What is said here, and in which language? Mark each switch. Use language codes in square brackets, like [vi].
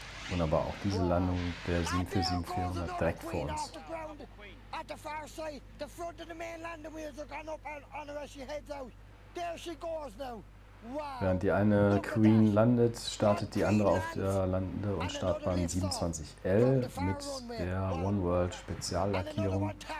[de] Und aber auch diese Landung der 747-400 direkt vor uns. [en] At the far side, the front of the main landing wheels are gone up on her as she heads out. There she goes now. [de] Während die eine Queen landet, startet die andere auf der Lande- und Startbahn 27L mit der One World Speziallackierung.